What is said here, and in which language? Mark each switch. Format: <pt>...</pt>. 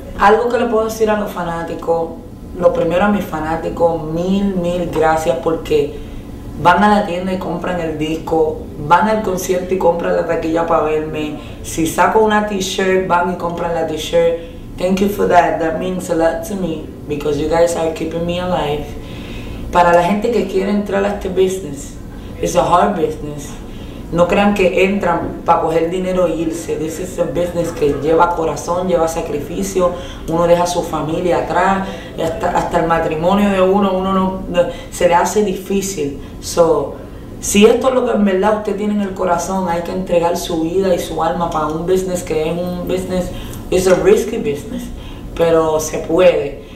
<es>Algo que le puedo decir a los fanáticos, lo primero a mis fanáticos, mil gracias porque van a la tienda y compran el disco, van al concierto y compran la taquilla para verme. Si saco una t-shirt, van y compran la t-shirt.</es> <en>Thank you for that, that means a lot to me, because you guys are keeping me alive.</en> <es>Para la gente que quiere entrar a este business,</es> <en>it's a hard business.</en> <es>No crean que entran para coger dinero e irse.</es> <en>This is a business</en> <es>que lleva corazón, lleva sacrificio. Uno deja a su familia atrás, hasta el matrimonio de uno no, se le hace difícil. So, si esto es lo que en verdad usted tiene en el corazón, hay que entregar su vida y su alma para un business que es un business,</es> <en>it's a risky business,</en> <es>pero se puede.</es>